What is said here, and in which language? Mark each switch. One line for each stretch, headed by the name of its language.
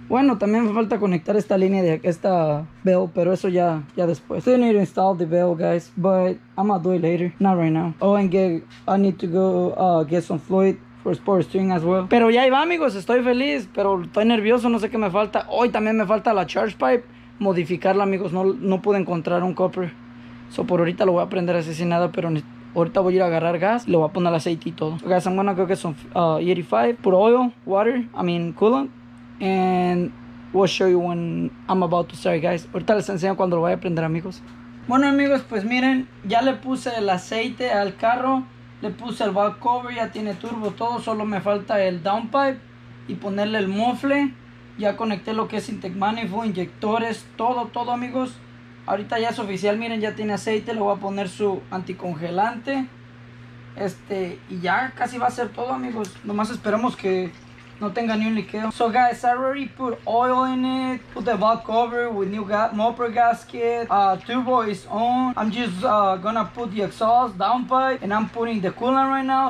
Spanish: Bueno, también me falta conectar esta línea de esta bell. Pero eso ya después.
English: Still need to install the bell, guys. But I'm gonna do it later. Not right now. Oh, and I need to go get some fluid. Sport string as well.
Spanish: Pero ya iba, amigos, estoy feliz, pero estoy nervioso, no sé qué me falta. Hoy también me falta la charge pipe, modificarla, amigos, no pude encontrar un copper. So por ahorita lo voy a prender así sin nada, pero ahorita voy a ir a agarrar gas, le voy a poner aceite y todo.
English: So guys, I'm gonna go get some E85, put oil, water, I mean coolant, and we'll show you when I'm about to start, guys.
Spanish: Ahorita les enseño cuando lo voy a prender, amigos. Bueno, amigos, pues miren, ya le puse el aceite al carro. Le puse el valve cover, ya tiene turbo todo, solo me falta el downpipe y ponerle el mofle. Ya conecté lo que es intake manifold, inyectores, todo, amigos. Ahorita ya es oficial, miren, ya tiene aceite, le voy a poner su anticongelante. Y ya casi va a ser todo, amigos. Nomás esperamos que no tenga ni un liqueo.
English: So guys, I already put oil in it, put the valve cover with new mopper gasket, turbo is on. I'm just gonna put the exhaust downpipe, and I'm putting the coolant right now.